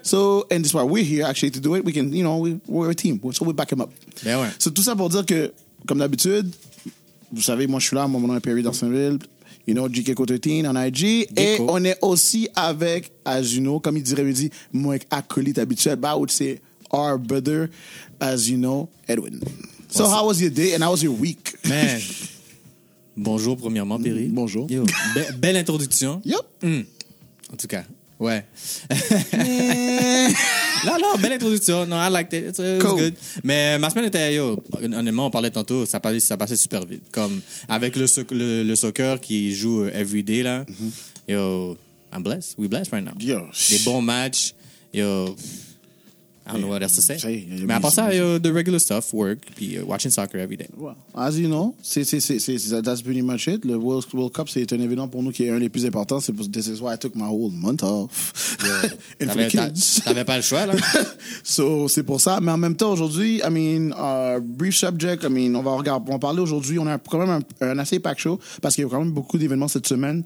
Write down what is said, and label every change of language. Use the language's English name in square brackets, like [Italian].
[English] So, and this is why we're here actually to do it. We can, you know, we're a team. So we back him up. [French] Ben ouais. So tout ça pour dire que, comme d'habitude, vous savez, moi je suis là, mon nom est Perry d'Arsenville. You know, GK Cototin en IG. Gecko. Et on est aussi avec, as you know, comme il dirait, Mehdi, mon acolyte habituel. [English] But I would say our brother, as you know, Edwin. So how was your day and how was your week? [French] Man. Bonjour, premièrement, Perry. Bonjour. Yo, belle introduction. [English] Yup. [French] Mm. En tout cas, ouais. Non, belle introduction. Non, I liked it. It was cool. Good. Mais ma semaine était, yo, honnêtement, on parlait tantôt, ça passait super vite. Comme avec le soccer qui joue every day, là. [English] Mm-hmm. Yo, I'm blessed. We blessed right now. Yo. [French] Des bons matchs. [English] Yo, I don't know what else to say. Mais à part ça, yo, the regular stuff, work, puis watching soccer every day. Well, as you know, that's pretty much it. [French] Le World Cup, c'est un événement pour nous qui est un des plus importants. [English] C'est pour, this is why I took my whole month off. [French] Yeah. T'avais pas le choix, là. So, c'est pour ça. Mais en même temps, aujourd'hui, I mean, brief subject, I mean, on va parler aujourd'hui. On a quand même un assez packed show parce qu'il y a quand même beaucoup d'événements cette semaine.